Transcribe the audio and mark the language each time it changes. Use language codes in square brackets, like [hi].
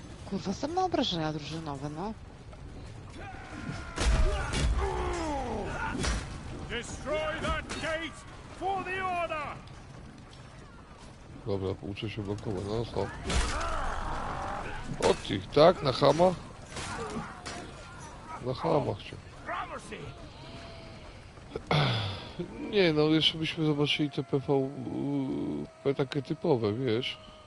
[pl] Kurwa, same obrażenia drużynowe, no. [en] Destroy that gate for the order! [pl] Dobra, uczę się blokować, no co? O ty, tak? Na chama? Na chama chcę. Nie no, jeszcze byśmy zobaczyli te PvP takie typowe, wiesz?